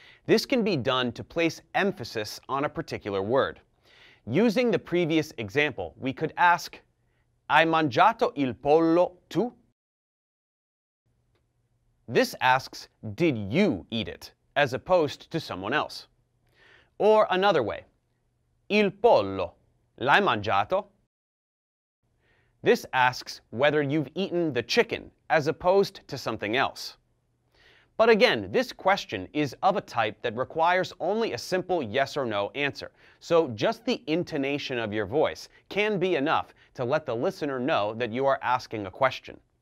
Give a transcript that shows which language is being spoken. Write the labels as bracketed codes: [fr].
[en] This can be done to place emphasis on a particular word. Using the previous example, we could ask, [it] Hai mangiato il pollo tu? [en] This asks, did you eat it, as opposed to someone else. Or another way, [it] il pollo, l'hai mangiato? [en] This asks whether you've eaten the chicken, as opposed to something else. But again, this question is of a type that requires only a simple yes or no answer, so just the intonation of your voice can be enough to let the listener know that you are asking a question.